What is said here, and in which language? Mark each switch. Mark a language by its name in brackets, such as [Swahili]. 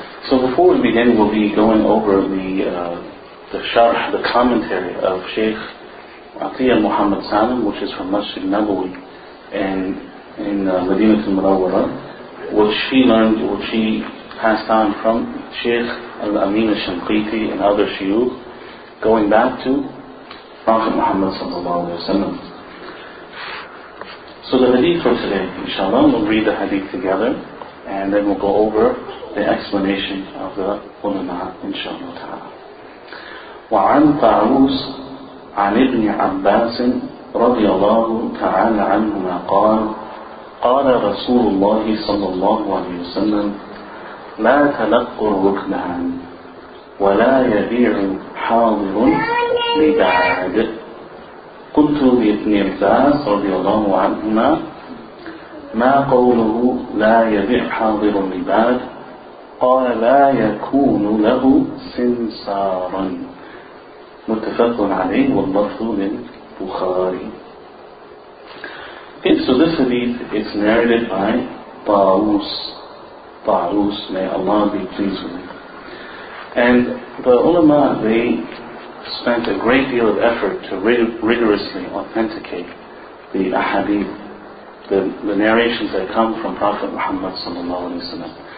[English] So before we begin, we'll be going over the sharh, the commentary of Shaykh Atiyah Muhammad Salim, which is from Masjid Nabawi and in Madinat al-Munawwara, which she passed on from Shaykh al-Amin al-Shanqiti and other shuyukh, going back to Prophet Muhammad sallallahu alayhi wa sallam. So the hadith for today, inshallah, we'll read the hadith together and then we'll go over the explanation of the ulama, inshallah ta'ala. [Arabic] وعن طاووس عن ابن عباس رضي الله تعالى عنهما قال قال رسول الله صلى الله عليه وسلم لا تلق الركبان ولا يبيع حاضر لبعاد. قلت لابن عباس رضي الله عنهما ما قوله لا يبيع حاضر لبعاد؟ قال لا يكون له سنسارا. متفق عليه واللفظ من بخاري. [English] Okay, so this hadith is narrated by Ta'us. Ta'us, may Allah be pleased with him. And the ulama, they spent a great deal of effort to rigorously authenticate the ahadith, the narrations that come from Prophet Muhammad sallallahu alaihi wasallam.